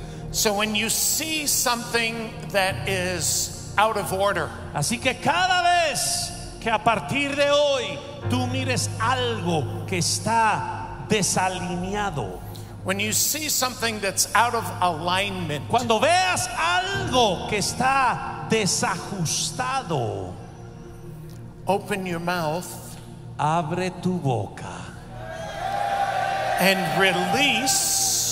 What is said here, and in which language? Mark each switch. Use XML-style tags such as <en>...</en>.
<en>So when you see something that is out of order,</en> <es>así que cada vez que a partir de hoy tú mires algo que está desalineado,</es> <en>when you see something that's out of alignment,</en> <es>cuando veas algo que está desajustado,</es> <en>open your mouth,</en> <es>abre tu boca,</es> <en>and release.</en>